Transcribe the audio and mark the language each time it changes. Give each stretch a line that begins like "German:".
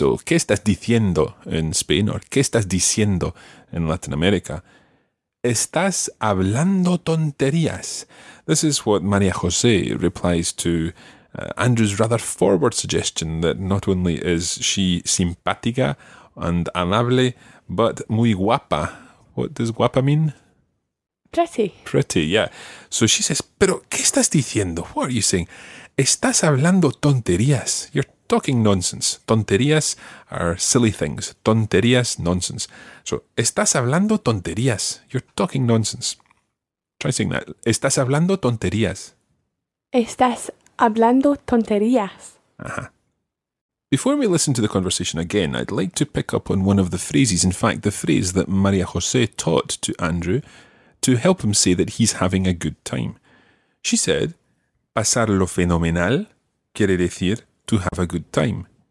English: So,
Spanish: ¿qué estás diciendo
English: in Spain? Or, ¿qué estás diciendo in Latin America?
Spanish: Estás hablando tonterías.
English: This is what María José replies to Andrew's rather forward suggestion that not only is she simpática and amable, but
Spanish: muy guapa.
English: What does guapa mean? Pretty. Pretty, yeah. So she says,
Spanish: ¿pero qué estás diciendo?
English: What are you saying?
Spanish: Estás hablando tonterías.
English: You're talking nonsense. Tonterías are silly things. Tonterías, nonsense.
Spanish: So, estás hablando tonterías.
English: You're talking nonsense. Try saying that.
Spanish: Estás hablando tonterías. Estás hablando tonterías. Ajá.
English: Before we listen to the conversation again, I'd like to pick up on one of the phrases. In fact, the phrase that María José taught to Andrew to help him say that he's having a good time. She said,
Spanish: pasarlo fenomenal quiere decir
English: to have a good time.